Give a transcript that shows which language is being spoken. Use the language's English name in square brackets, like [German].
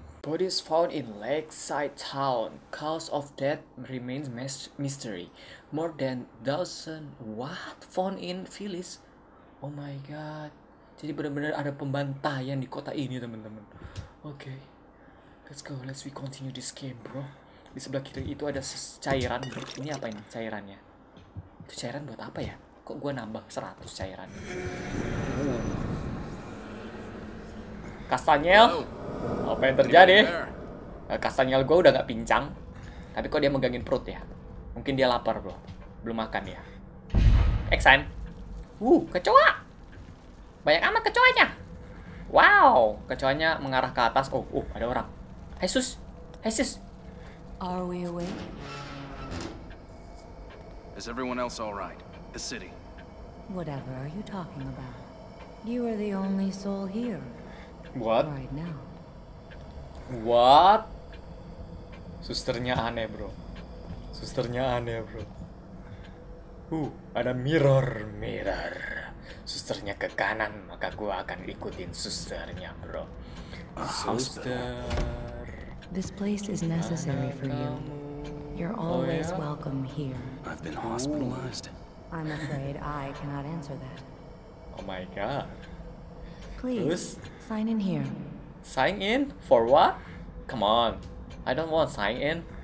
[English] Bodies found in Lakeside Town. Cause of death remains mystery. More than dozen what found in Phyllis? Oh my god. [Indonesian] Jadi benar-benar ada pembantaian di kota ini, teman-teman. Oke. Okay. [English] Let's go. Let's we continue this game, bro. [Indonesian] Di sebelah kiri itu ada cairan. Ini apa ini cairannya? Itu cairan buat apa ya? Kok gue nambah 100 cairan? Kastanyel? Apa yang terjadi? Kastanyel gue udah gak pincang. Tapi kok dia megangin perut ya? Mungkin dia lapar, bro. Belum makan ya? Eksan? Kecoa! Banyak amat kecoanya! Wow! Kecoanya mengarah ke atas. Oh, ada orang. Jesus! Jesus! [English] Are we awake? Is everyone else all right? The city. Whatever are you talking about? You are the only soul here. What? Right now. [Indonesian] What? Susternya aneh, bro. Susternya aneh, bro. Ada mirror. Susternya ke kanan, maka gua akan ikutin susternya, bro. Suster. [English] This place is necessary for you. You're always welcome here. I've been hospitalized. I'm afraid I cannot answer that. Oh my god. Please, sign in here. Sign in? For what? Come on. I don't want sign in.